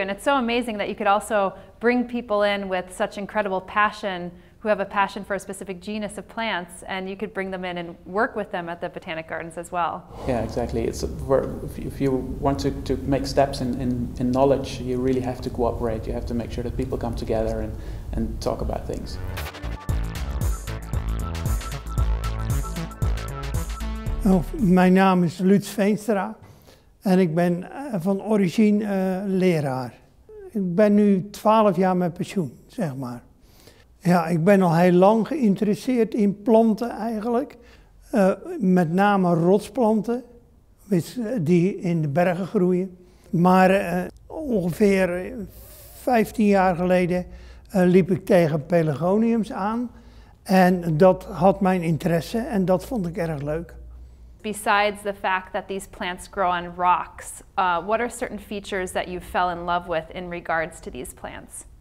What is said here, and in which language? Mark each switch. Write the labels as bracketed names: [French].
[English] And it's so amazing that you could also bring people in with such incredible passion, who have a passion for a specific genus of plants, and you could bring them in and work with them at the Botanic Gardens as well. Yeah, exactly. If you want to make steps in knowledge, you really have to cooperate. You have to make sure that people come together and talk about things. [Dutch] Oh, mijn naam is Lutz Veenstra en ik ben van origine leraar. Ik ben nu 12 jaar met pensioen, zeg maar. Ja, ik ben al heel lang geïnteresseerd in planten eigenlijk. Met name rotsplanten, die in de bergen groeien. Maar ongeveer 15 jaar geleden liep ik tegen pelargoniums aan. En dat had mijn interesse en dat vond ik erg leuk. [English] Besides the fact that these plants grow on rocks, what are certain features that you fell in love with in regards to these plants?